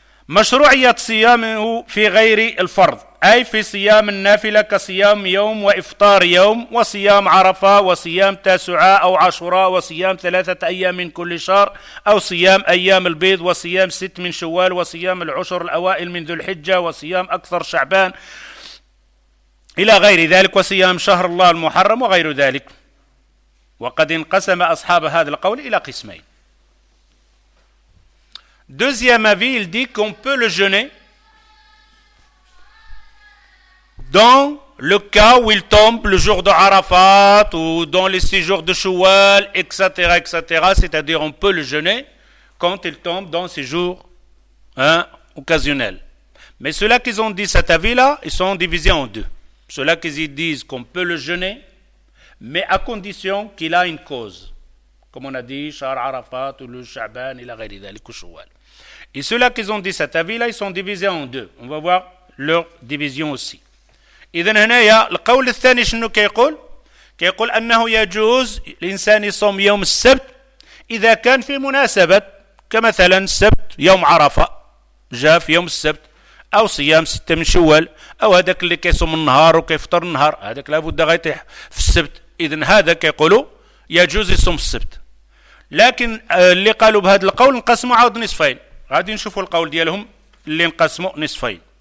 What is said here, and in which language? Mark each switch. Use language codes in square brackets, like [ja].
[ar] مشروعية صيامه في غير الفرض اي في صيام النافلة كصيام يوم وإفطار يوم وصيام عرفة وصيام تاسعاء أو عاشوراء وصيام ثلاثة أيام من كل شهر أو صيام أيام البيض وصيام ست من شوال وصيام العشر الأوائل من ذو الحجة وصيام أكثر شعبان إلى غير ذلك وصيام شهر الله المحرم وغير ذلك. وقد انقسم أصحاب هذا القول إلى قسمين. [fr] deuxième avis, il dit qu'on peut le jeûner dans le cas où il tombe le jour de Arafat ou dans les six jours de Shawwal, etc., etc. C'est-à-dire on peut le jeûner quand il tombe dans ces jours occasionnels. Mais ceux-là qui ont dit cet avis-là, ils sont divisés en deux. Ceux-là qui disent qu'on peut le jeûner, mais à condition qu'il a une cause. Comme on a dit, Shahr Arafat ou le Sha'ban, il a réalisé le Shawwal. Et ceux-là qui ont dit cet avis-là, ils sont divisés en deux. On va voir leur division aussi. [ar] إذن هنا يا القول الثاني شنو كيقول كيقول أنه يجوز الإنسان يصوم يوم السبت إذا كان في مناسبة كمثلا السبت يوم عرفة جاء في يوم السبت أو صيام ستة من شوال أو هذاك اللي كيصوم النهار وكيفطر النهار هذاك لابد غيطيح في السبت إذن هذا كيقولوا يجوز يصوم السبت لكن اللي قالوا بهذا القول انقسموا عاود نصفين غادي نشوفوا القول ديالهم اللي انقسموا نصفين